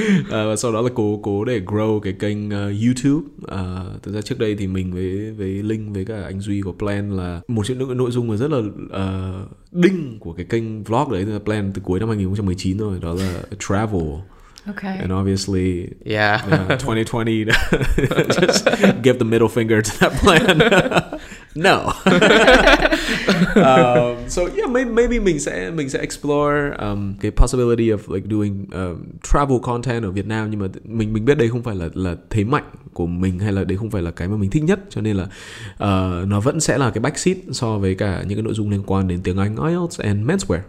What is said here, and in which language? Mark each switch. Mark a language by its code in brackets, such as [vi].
[vi] Và sau đó là cố để grow cái kênh YouTube. Thực ra trước đây thì mình với Linh với cả anh Duy có plan là một trong những cái nội dung mà rất là đinh của cái kênh vlog đấy là plan từ cuối năm 2019 rồi. Đó là travel. [en] Okay. And obviously, yeah. 2020, just give the middle finger to that plan. No. So yeah, maybe [vi] mình sẽ [en] explore the possibility of like doing travel content [vi] ở Việt Nam, nhưng mà mình biết đây không phải là thế mạnh của mình, hay là đấy không phải là cái mà mình thích nhất, cho nên là nó vẫn sẽ là cái backseat so với cả những cái nội dung liên quan đến tiếng Anh, IELTS and menswear.